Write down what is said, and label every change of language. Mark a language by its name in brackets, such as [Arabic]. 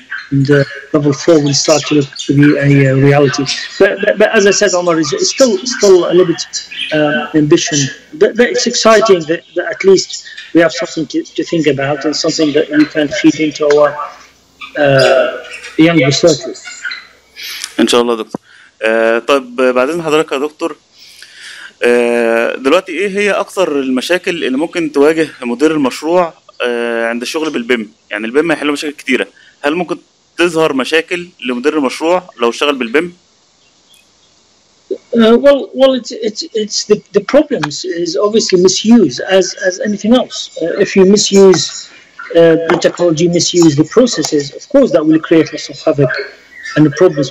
[English] And level 4 will start to look to be a reality. But as I said, Omar, it's still a little bit ambition. But it's exciting that at least we have something to think about and something that we can feed into our young researchers. [Arabic] Inshallah, Doctor. طيب بعدين حضرتك يا دكتور دلوقتي ايه هي اكثر المشاكل اللي ممكن تواجه مدير المشروع عند الشغل بالبيم؟ يعني البيم هيحل مشاكل كتيره، هل ممكن تظهر مشاكل لمدير المشروع لو اشتغل بالبيم؟ [English] Well, it's the problems is obviously misuse as anything else. If you misuse the technology, misuse the processes, of course that will create lots of havoc and the problems.